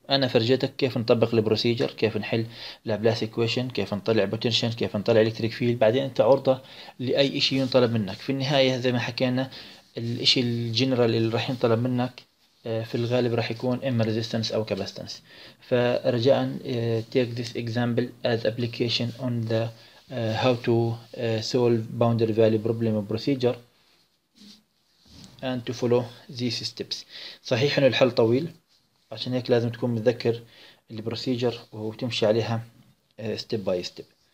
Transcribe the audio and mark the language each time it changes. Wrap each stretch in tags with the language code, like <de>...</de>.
<ar>انا فرجيتك كيف نطبق البروسيجر، كيف نحل لابلاس ايكويشن، كيف نطلع بوتنشال، كيف نطلع الكتريك فيلد، بعدين انت عرضه لاي شيء ينطلب منك. في النهايه زي ما حكينا الشيء الجنرال اللي راح ينطلب منك في الغالب راح يكون إما resistance أو capacitance. فرجاء</ar> <en>take this example as application on the how to solve boundary value problem procedure and to follow these steps.</en> <ar>صحيح إن الحل طويل، عشان هيك لازم تكون متذكر البروسيجر وتمشي عليها</ar> <en>step by step.</en>